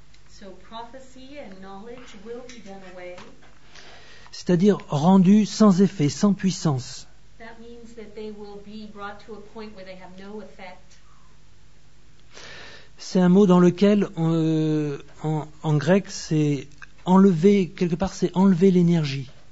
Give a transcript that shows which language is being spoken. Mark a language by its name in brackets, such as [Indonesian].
[English] So prophecy and knowledge will be done away. [French] C'est-à-dire rendues sans effet, sans puissance. [English] That means that they will be brought to a point where they have no effect. [French] C'est un mot dans lequel, en grec, c'est enlever, quelque part, c'est enlever l'énergie.